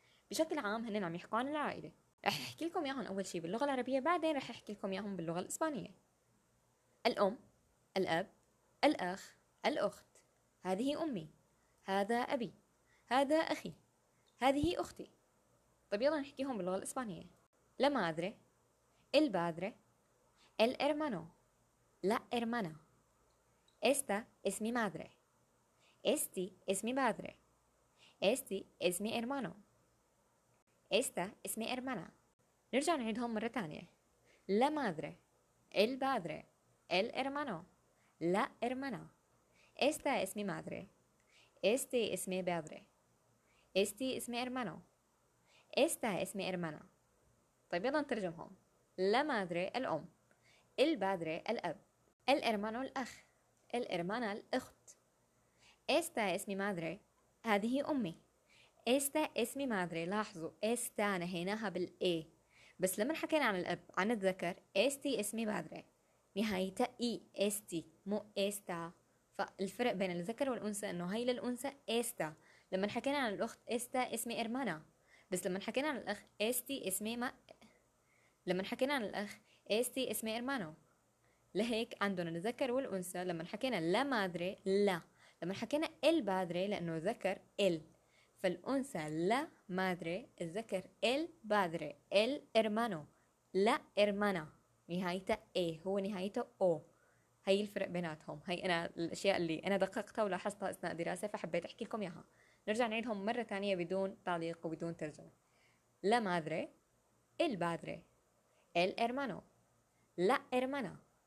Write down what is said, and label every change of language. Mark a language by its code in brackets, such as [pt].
[ar] بشكل عام هنن عم يحكوا عن العائلة، رح احكي لكم اياهم اول شي باللغة العربية، بعدين رح احكي لكم اياهم باللغة الإسبانية. الأم، الأب، الأخ، الأخت، هذه أمي، هذا أبي، هذا أخي، هذه أختي. طب يلا نحكيهم باللغة الإسبانية. [es] La madre، el padre، el hermano، la hermana. Esta es mi madre. Este es mi padre. Este es mi hermano. Esta es mi hermana. [ar] نرجع نعيدهم مرة تانية. [es] La madre، el padre، el hermano، la hermana. Esta es mi madre. Este es mi padre. Este es mi hermano. Esta es mi hermana. [ar] طيب يلا نترجمهم. [es] La madre، [ar] الأم. [es] El padre، [ar] الأب. [es] El hermano، [ar] الأخ. [es] El hermana، [ar] الأخت. [es] Esta es mi madre، [ar] هذه أمي. [es] Esta es mi madre، [ar] لاحظوا esta نهيناها بالA، بس لما حكينا عن الأب عن الذكر [es] este es mi padre، [ar] نهايتها إي este مو esta، فالفرق بين الذكر والأنثى إنه هاي للأنثى esta. لما حكينا عن الأخت [es] esta es mi hermana، [ar] بس لما حكينا عن الأخ [es] este es mi [ar] ما لما حكينا عن الأخ [es] este es mi hermano. [ar] لهيك عندنا الذكر والأنثى. لما حكينا la madre لا، لما حكينا el padre لأنه ذكر el، فالأنثى لا madre، الذكر [es] el padre، el hermano، la hermana [ar] نهايتها a هو نهايته o. هاي الفرق بيناتهم، هاي أنا الأشياء اللي أنا دققتها ولاحظتها أثناء دراسة فحبيت أحكي لكم إياها. نرجع نعيدهم مرة تانية بدون تعليق وبدون ترجمة. [es] la madre، el padre، el hermano، la hermana.